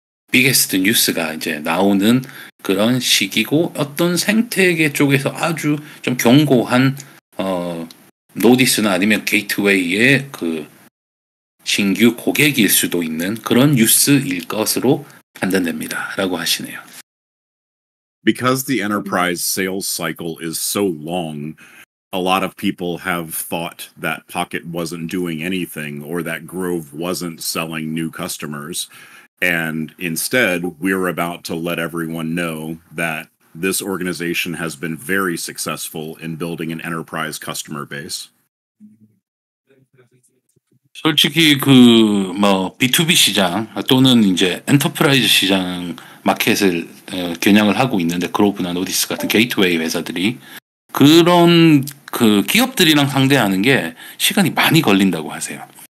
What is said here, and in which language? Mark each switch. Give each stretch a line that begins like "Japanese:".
Korean: biggest 뉴스가 이제 나오는 그런 시기고 어떤 생태계 쪽에서 아주 좀 견고한 노디스나 아니면 게이트웨이의 그 신규 고객일 수도 있는 그런 뉴스일 것으로 판단됩니다. 라고 하시네요.
English: Because the enterprise sales cycle is so long, a lot of people have thought that Pocket wasn't doing anything or that Grove wasn't selling new customers. And instead, we're about to let everyone know that this organization has been very successful in building an enterprise customer base.
Korean: 솔직히 그 뭐 B2B 시장 또는 이제 엔터프라이즈 시장 마켓을 겨냥을 하고 있는데 그로브나 노디스 같은 게이트웨이 회사들이 그런 그 기업들이랑 상대하는 게 시간이 많이 걸린다고 하세요.